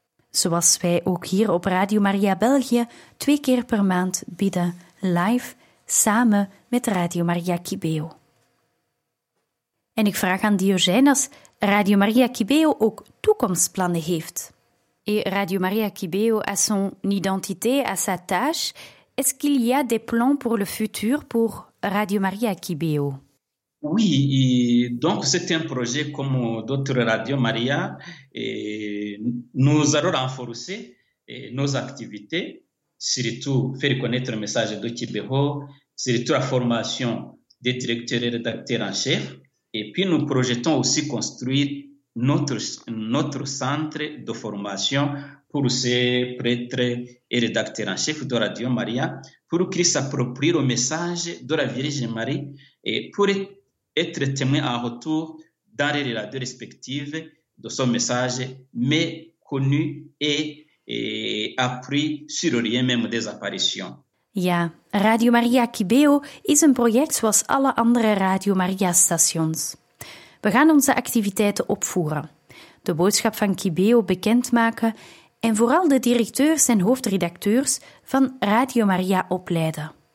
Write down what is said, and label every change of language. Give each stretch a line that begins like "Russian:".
Dutch: Zoals wij ook hier op Radio Maria België 2 keer per maand bidden, live, samen met Radio Maria Kibeo. En ik vraag aan Diogène als Radio Maria Kibeo ook toekomstplannen heeft.
French: Et Radio Maria Kibeo a son identité, a sa tâche. Est-ce qu'il y a des plans pour le futur pour Radio Maria Kibeo? Oui, et donc c'est un projet comme d'autres Radio Maria. Et nous allons renforcer nos activités, surtout faire connaître le message de Kibeo, surtout la formation des directeurs et rédacteurs en chef. Et puis nous projetons aussi construire notre centre de formation pour ces prêtres et rédacteurs en chef de Radio Maria, pour qu'ils s'approprient le message de la Vierge Marie et pour être témoins en retour dans les radios respectives de son message, mais connu et appris sur le lien même des apparitions.
Dutch: Ja, Radio Maria Kibeo is een project zoals alle andere Radio Maria stations. We gaan onze activiteiten opvoeren, de boodschap van Kibeo bekendmaken en vooral de directeurs en hoofdredacteurs van Radio Maria opleiden.